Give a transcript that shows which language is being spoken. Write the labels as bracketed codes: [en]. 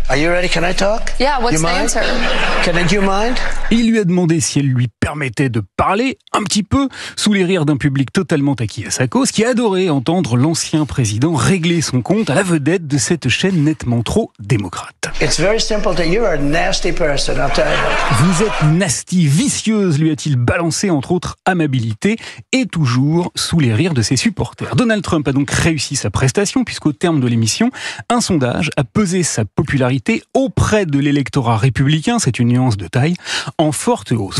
[en] Are you ready? Can I talk? Yeah, what's you the mind? Answer? Can I, do you mind? [fr] Il lui a demandé si elle lui permettait de parler un petit peu sous les rires d'un public totalement acquis à sa cause qui adorait entendre l'ancien président régler son compte à la vedette de cette chaîne nettement trop démocrate. [en] It's very simple that you're a nasty person, I'll tell you. [fr] Vous êtes nasty, vicieuse, lui a-t-il balancé entre autres amabilité et toujours sous les rires de ses supporters. Donald Trump a donc réussi sa prestation puisqu'au terme de l'émission, un sondage a pesé sa popularité auprès de l'électorat républicain, c'est une nuance de taille, en forte hausse.